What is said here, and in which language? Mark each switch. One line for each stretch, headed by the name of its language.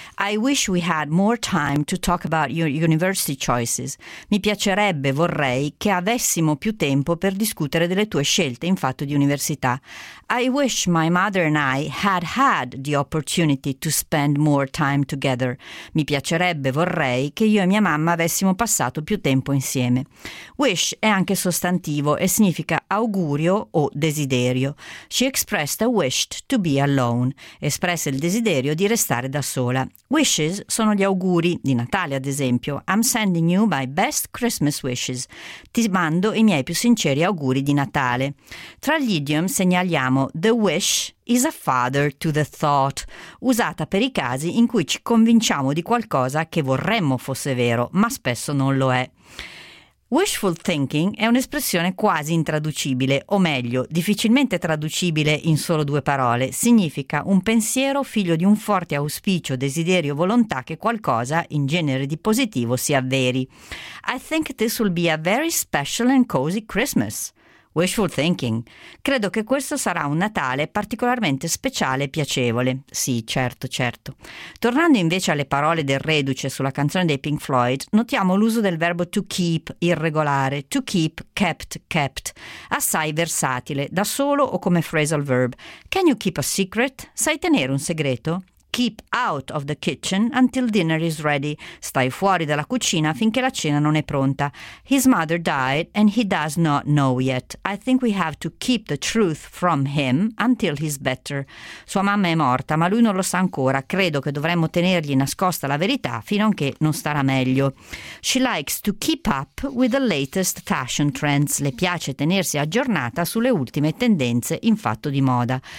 English: I wish we had more time to talk about your university choices.
Italian: Mi piacerebbe, vorrei, che avessimo più tempo per discutere delle tue scelte in fatto di università.
English: I wish my mother and I had had the opportunity to spend more time together.
Italian: Mi piacerebbe, vorrei, che io e mia mamma avessimo passato più tempo insieme. Wish è anche sostantivo e significa augurio o desiderio.
English: She expressed a wish to be alone.
Italian: Espresse il desiderio di restare da sola. Wishes sono gli auguri, di Natale ad esempio.
English: I'm sending you my best Christmas wishes.
Italian: Ti mando i miei più sinceri auguri di Natale. Tra gli idiom segnaliamo
English: the wish is a father to the thought,
Italian: usata per i casi in cui ci convinciamo di qualcosa che vorremmo fosse vero, ma spesso non lo è. Wishful thinking è un'espressione quasi intraducibile, o meglio, difficilmente traducibile in solo due parole. Significa un pensiero figlio di un forte auspicio, desiderio, volontà che qualcosa, in genere di positivo, si avveri.
English: I think this will be a very special and cozy Christmas. Wishful thinking.
Italian: Credo che questo sarà un Natale particolarmente speciale e piacevole. Sì, certo, certo. Tornando invece alle parole del reduce sulla canzone dei Pink Floyd, notiamo l'uso del verbo to keep irregolare, to keep, kept, kept, assai versatile, da solo o come phrasal verb.
English: Can you keep a secret?
Italian: Sai tenere un segreto?
English: Keep out of the kitchen until dinner is ready.
Italian: Stai fuori dalla cucina finché la cena non è pronta.
English: His mother died and he does not know yet. I think we have to keep the truth from him until he's better.
Italian: Sua mamma è morta, ma lui non lo sa ancora. Credo che dovremmo tenergli nascosta la verità fino a che non starà meglio.
English: She likes to keep up with the latest fashion trends.
Italian: Le piace tenersi aggiornata sulle ultime tendenze in fatto di moda.